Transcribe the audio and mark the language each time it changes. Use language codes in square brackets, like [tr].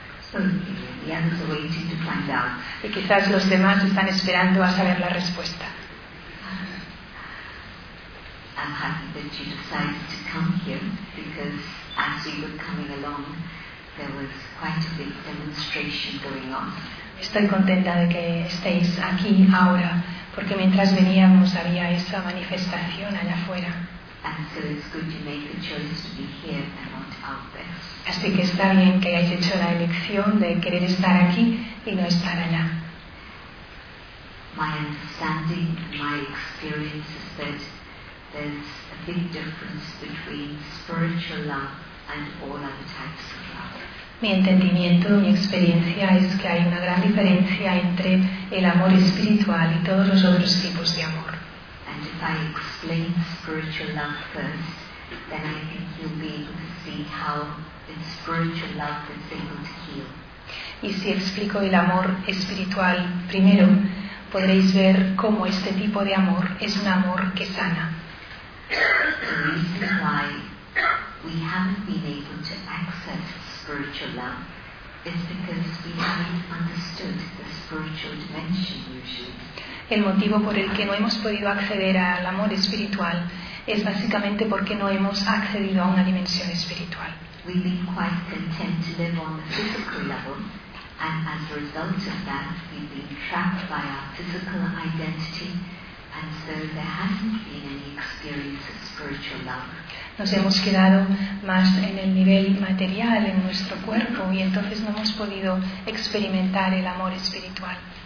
[en] So, the others are waiting to find out. [es] Y quizás los demás están esperando a saber la respuesta. [en] I'm happy that you decided to come here because as we were coming along, there was quite a big demonstration going on. [es] Estoy contenta de que estéis aquí ahora, porque mientras veníamos había esa manifestación allá afuera. [en] And so it's good to make the choice to be here and not out there. [es] Así que está bien que hayáis hecho la elección de querer estar aquí y no estar allá. [en] My understanding, my experience is that there's a big difference between spiritual love and all other types of love. [es] Mi entendimiento, mi experiencia es que hay una gran diferencia entre el amor espiritual y todos los otros tipos de amor. [en] And if I explain spiritual love first, then I think you'll be able to see how in spiritual love it's able to heal. [es] Y si explico el amor espiritual primero, podréis ver cómo este tipo de amor es un amor que sana. [en] The reason why we haven't been able to access spiritual love is because we haven't understood the spiritual dimension usually. [es] El motivo por el que no hemos podido acceder al amor espiritual es básicamente porque no hemos accedido a una dimensión espiritual. [en] We've been quite content to live on the physical level, and as a result of that, we've been trapped by our physical identity. And so there hasn't been any experience of spiritual love. [es] Nos hemos quedado más en el nivel material, en nuestro cuerpo, y entonces no hemos podido experimentar el amor espiritual.